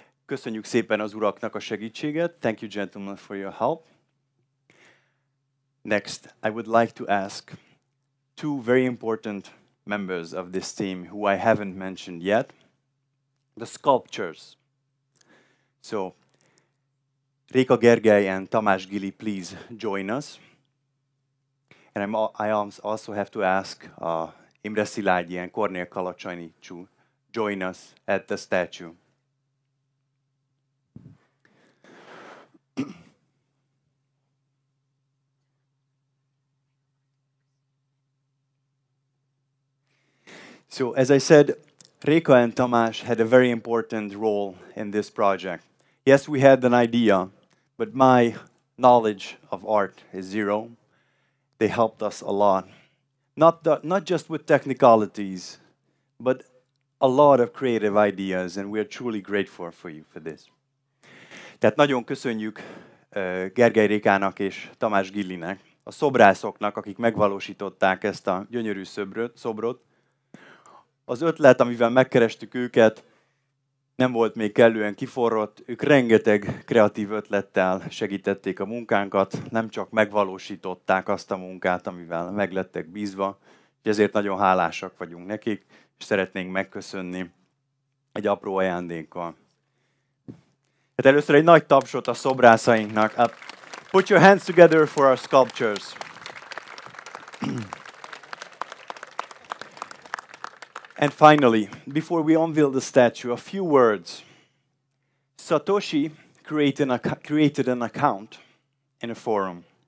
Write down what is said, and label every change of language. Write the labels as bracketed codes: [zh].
[hu] Köszönjük szépen az uraknak a segítséget. [en] Thank you, gentlemen, for your help. Next, I would like to ask two very important members of this team who I haven't mentioned yet. The sculptors. So, Réka Gergely and Tamás Gili, please join us. And I also have to ask Imre Szilágyi and Kornél Kalacsonyi to join us at the statue. So, as I said, Réka and Tamás had a very important role in this project. Yes, we had an idea, but my knowledge of art is zero. They helped us a lot. Not just with technicalities, but a lot of creative ideas, and we are truly grateful for you for this. [hu] Tehát nagyon köszönjük Gergely Rékának és Tamás Gillinek, a szobrászoknak, akik megvalósították ezt a gyönyörű szobrot. Az ötlet, amivel megkerestük őket, nem volt még kellően kiforrott. Ők rengeteg kreatív ötlettel segítették a munkánkat, nem csak megvalósították azt a munkát, amivel meglettek bízva, és ezért nagyon hálásak vagyunk nekik, és szeretnénk megköszönni egy apró ajándékkal. Hát először egy nagy tapsot a szobrászainknak. [en] Put your hands together for our sculptures. And finally, before we unveil the statue, a few words. Satoshi created an account in a forum.